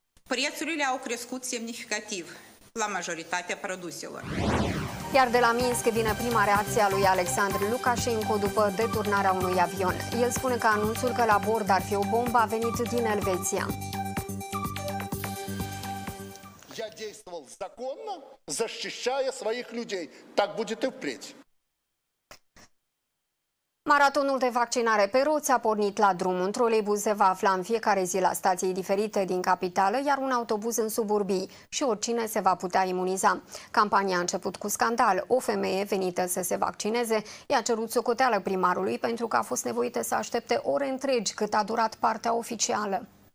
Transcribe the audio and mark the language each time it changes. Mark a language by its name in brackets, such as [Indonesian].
[Romanian] Prețurile au crescut semnificativ la majoritatea produselor. Iar de la Minsk vine prima reacție a lui Alexandru Lukashenko după deturnarea unui avion. El spune că anunțul că la bord ar fi o bombă a venit din Elveția. [Russian] Я действовал законно, защищая своих людей. Так будет и впредь. [Romanian] Maratonul de vaccinare pe roți a pornit la drum. Un troleibuz se va afla în fiecare zi la stații diferite din capitală, iar un autobuz în suburbii și oricine se va putea imuniza. Campania a început cu scandal. O femeie venită să se vaccineze i-a cerut socoteală primarului pentru că a fost nevoită să aștepte ore întregi cât a durat partea oficială.